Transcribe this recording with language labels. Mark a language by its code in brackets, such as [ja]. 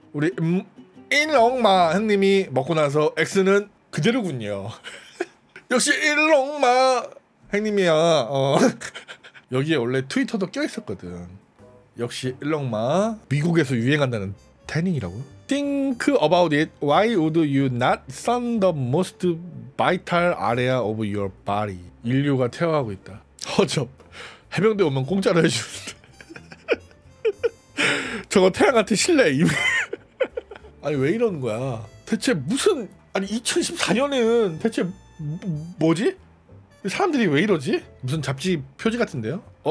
[ko] 우리 일롱마 형님이 먹고 나서 X는 그대로군요. 역시 일롱마 형님이야. 여기에 원래 트위터도 껴있었거든. 역시 일롱마 미국에서 유행한다는 태닝이라고? [en] Think about it. Why would you not sun the most vital area of your body? [ko] 인류가 태워하고 있다. 허접. 해병대 오면 공짜로 해주는데. 저거 태양한테 실례. 아니 왜 이러는 거야? 대체 무슨 아니 2014년에는 대체 뭐지? 사람들이 왜 이러지? 무슨 잡지 표지 같은데요?